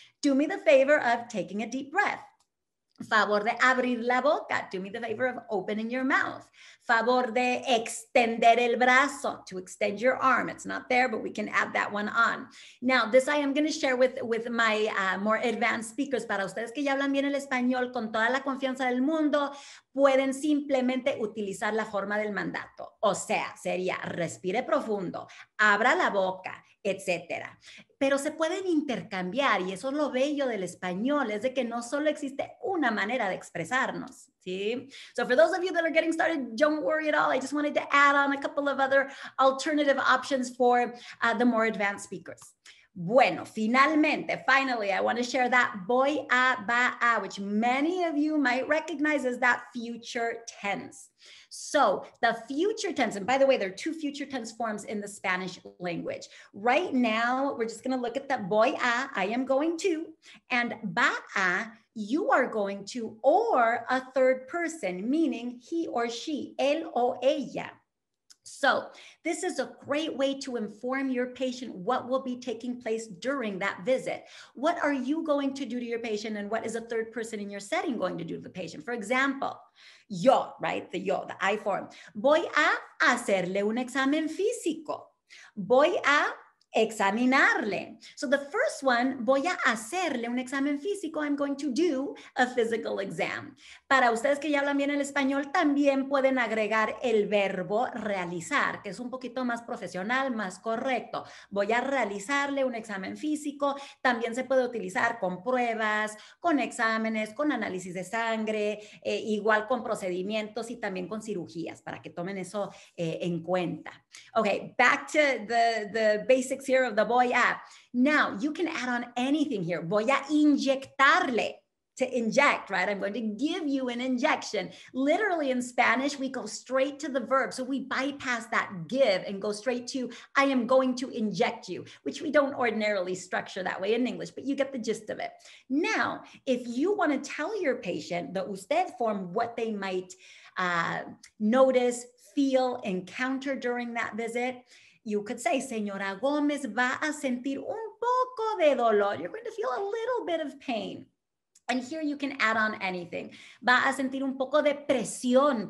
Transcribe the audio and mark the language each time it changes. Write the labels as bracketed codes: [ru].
[en] Do me the favor of taking a deep breath. [es] Favor de abrir la boca. [en] Do me the favor of opening your mouth. [es] Favor de extender el brazo, [en] to extend your arm. It's not there, but we can add that one on. Now, this I am going to share with my more advanced speakers. [es] Para ustedes que ya hablan bien el español con toda la confianza del mundo, pueden simplemente utilizar la forma del mandato. O sea, sería respire profundo, abra la boca, etcétera. Pero se pueden intercambiar, y eso es lo bello del español, es de que no solo existe una manera de expresarnos, ¿sí? [en] So for those of you that are getting started, don't worry at all. I just wanted to add on a couple of other alternative options for the more advanced speakers. [es] Bueno, finalmente, [en] finally, I want to share that voy a, va a, which many of you might recognize as that future tense. So the future tense, and by the way, there are two future tense forms in the Spanish language. Right now, we're just going to look at that voy a, I am going to, and va a, you are going to, or a third person, meaning he or she, [es] él o ella. [en] So this is a great way to inform your patient what will be taking place during that visit. What are you going to do to your patient and what is a third person in your setting going to do to the patient? For example, yo, right? The yo, the I form. [es] Voy a hacerle un examen físico. Voy a examinarle. [en] So the first one, [es] voy a hacerle un examen físico. [en] I'm going to do a physical exam. [es] Para ustedes que ya hablan bien el español, también pueden agregar el verbo realizar, que es un poquito más profesional, más correcto. Voy a realizarle un examen físico. También se puede utilizar con pruebas, con exámenes, con análisis de sangre, igual con procedimientos y también con cirugías, para que tomen eso en cuenta. [en] Okay, back to the basic here of the voy a. Now you can add on anything here. [es] Voy a inyectarle, [en] to inject, right? I'm going to give you an injection. Literally in Spanish, we go straight to the verb. So we bypass that give and go straight to I am going to inject you, which we don't ordinarily structure that way in English, but you get the gist of it. Now, if you want to tell your patient the usted form, what they might notice, feel, encounter during that visit, you could say, [es] Señora Gómez va a sentir un poco de dolor. [en] You're going to feel a little bit of pain. And here you can add on anything. [es] Va a sentir un poco de presión.